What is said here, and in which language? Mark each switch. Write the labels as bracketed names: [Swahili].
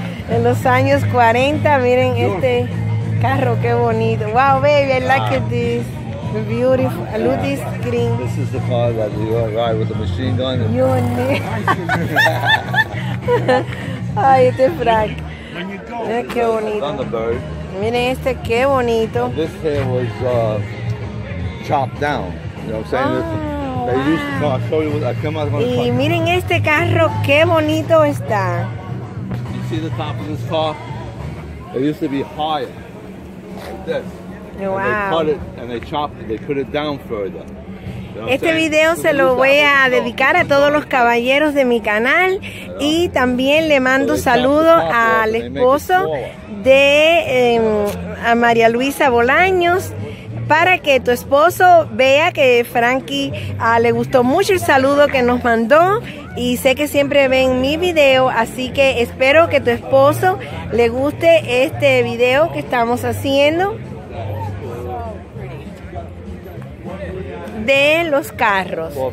[Spanish] En los años 40, miren este carro, qué bonito. [English] Wow, baby, I like this. Beautiful. Yeah. Look this green. This is the car that you ride with the machine gun. And you and me. [Spanish] Ay, este Frank. Qué bonito. [English] Thunderbird. [Spanish] Miren este, qué bonito. [English] And this here was chopped down, you know what I'm saying? Oh, they wow. used to come, I show you what I come out of the car. [Spanish] Y miren este carro, qué bonito está. [English] You see the top of this car? It used to be higher, like this. Wow. And they cut it, and they chopped it, they put it down further. [Spanish] Este video se lo voy a dedicar a todos los caballeros de mi canal y también le mando saludos al esposo de a María Luisa Bolaños para que tu esposo vea que Frankie le gustó mucho el saludo que nos mandó y sé que siempre ven mi video, así que espero que tu esposo le guste este video que estamos haciendo de los carros.